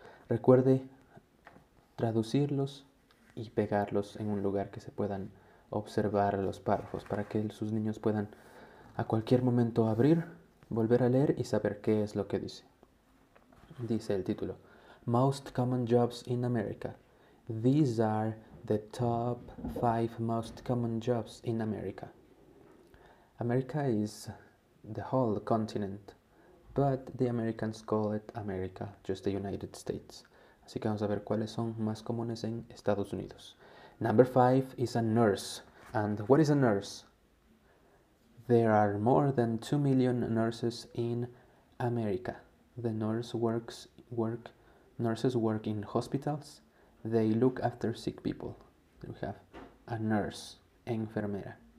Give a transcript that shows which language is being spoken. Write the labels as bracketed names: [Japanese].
[Spanish] Recuerde traducirlos y pegarlos en un lugar que se puedan observar los párrafos para que sus niños puedan a cualquier momento abrir, volver a leer y saber qué es lo que dice. Dice el título: [English] Most common jobs in America. These are the top five most common jobs in America. America is the whole continent, but the Americans call it America, just the United States. [Spanish] Así que vamos a ver cuáles son más comunes en Estados Unidos. [English] Number five is a nurse. And what is a nurse? There are more than 2 million nurses in America. The nurse works work nurses work in hospitals. They look after sick people. We have a nurse, enfermera.